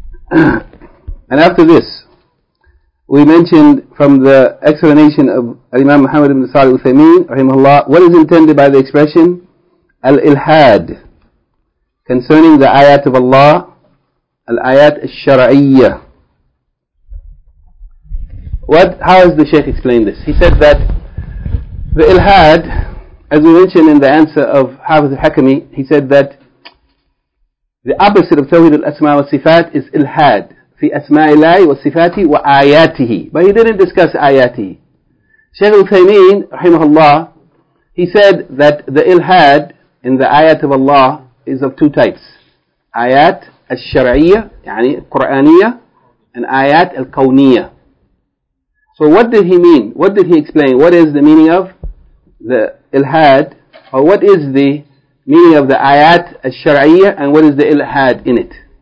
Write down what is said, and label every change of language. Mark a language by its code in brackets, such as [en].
[en] And after this, we mentioned from the explanation of Imam Muhammad ibn Salih Uthaymeen, rahimahullah, what is intended by the expression al-ilhad concerning the ayat of Allah, al-ayat al-shara'iyya. How has the Shaykh explained this? He said that the ilhad, as we mentioned in the answer of Hafiz al-Hakami, he said that the opposite of Tawhid al-Asma wa Sifat is ilhad. [ar] في أسماء الله وصفاته وآياته. [en] But he didn't discuss آياته. Shaykh Uthaymeen, رحمه الله, he said that the ilhad in the ayat of Allah is of two types. [ar] آيات الشرعية, يعني القرآنية, and آيات الكونية. [en] So what did he mean? What did he explain? What is the meaning of the ilhad? Or what is the meaning of the آيات الشرعية and what is the ilhad in it?